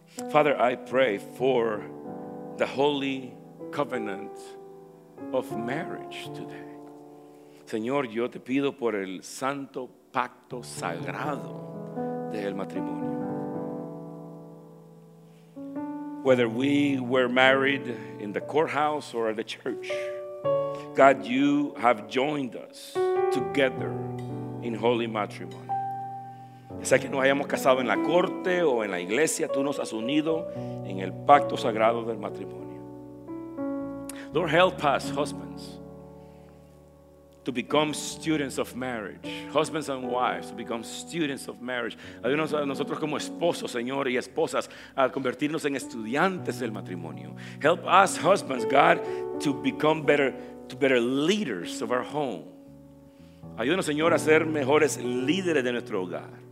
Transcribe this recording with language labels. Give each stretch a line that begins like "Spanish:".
English: Father, I pray for the holy covenant of marriage today.
Spanish: Señor, yo te pido por el santo pacto sagrado del matrimonio.
English: Whether we were married in the courthouse or at the church, God, you have joined us together in holy matrimony.
Spanish: Sea que nos hayamos casado en la corte o en la iglesia, tú nos has unido en el pacto sagrado del matrimonio.
English: Lord, help us, husbands, to become students of marriage. Husbands and wives, to become students of marriage.
Spanish: Ayúdanos a nosotros como esposos, Señor, y esposas, a convertirnos en estudiantes del matrimonio.
English: Help us, husbands, God, to become better leaders of our home.
Spanish: Ayúdanos, Señor, a ser mejores líderes de nuestro hogar.